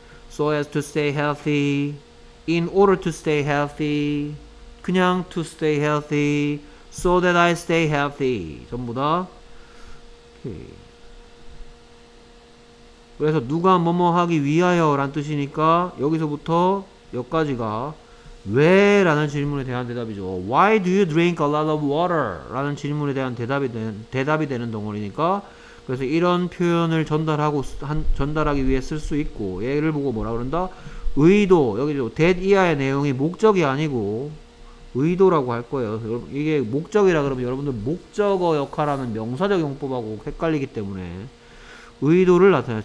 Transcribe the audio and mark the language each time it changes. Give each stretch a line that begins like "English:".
English: so as to stay healthy in order to stay healthy
Korean: 그냥
English: to stay healthy so that I stay healthy
Korean: 전부 다 오케이. 그래서 누가 뭐뭐 하기 위하여 라는 뜻이니까 여기서부터 여기까지가 왜 라는 질문에 대한 대답이죠.
English: Why do you drink a lot of water?
Korean: 라는 질문에 대한 대답이 되는 덩어리니까 그래서 이런 표현을 전달하기 위해 쓸 수 있고 얘를 보고 뭐라 그런다? 의도, 여기서 that 이하의 내용이 목적이 아니고 의도라고 할 거예요. 이게 목적이라 그러면 여러분들 목적어 역할하는 명사적 용법하고 헷갈리기 때문에 의도를 나타내요.